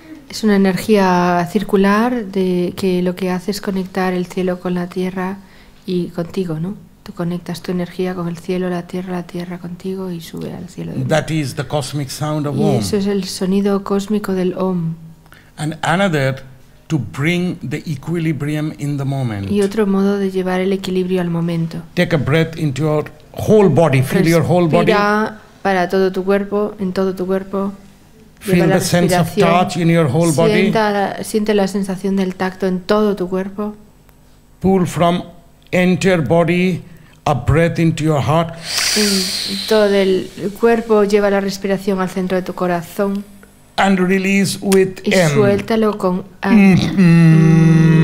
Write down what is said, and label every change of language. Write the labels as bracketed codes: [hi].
[es] Es una energía circular de que lo que hace es conectar el cielo con la tierra y contigo, ¿no? Tú conectas tu energía con el cielo, la tierra contigo y sube al cielo. [en] That is the cosmic sound of [es] y [en] Om. [es] Eso es el sonido cósmico del Om. [en] And another to bring the equilibrium in the moment. [es] Y otro modo de llevar el equilibrio al momento. [en] Take a breath into your whole body. Feel [es] respira [en] your whole body. [es] Para todo tu cuerpo, en todo tu cuerpo. [en] Feel the sense of touch in your whole body. [es] Siente la sensación del tacto en todo tu cuerpo. [en] Pull from entire body a breath into your heart. [es] Todo el cuerpo lleva la respiración al centro de tu corazón. [en] And release with [es] y suéltalo con M. Mm.